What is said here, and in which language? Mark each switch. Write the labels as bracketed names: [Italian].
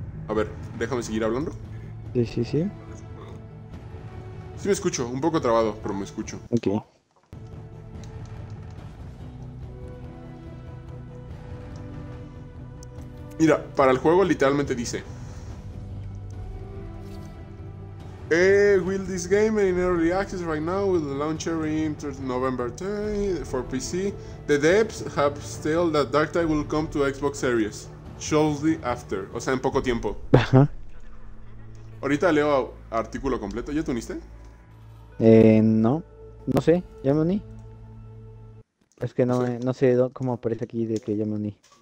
[Spanish] A ver, déjame seguir hablando. Sí. Sí me escucho, un poco trabado, pero me escucho. Okay. Mira, para el juego literalmente dice. [English] Will this game in early access right now with the launcher in November 10 for PC? The devs have stated that Darktide will come to Xbox Series shortly after, [Spanish] o sea, en poco tiempo. Ajá. Ahorita leo artículo completo, ¿ya tuniste? No, no sé, ya me uní. Es que Sí. no sé cómo aparece aquí de que ya me uní.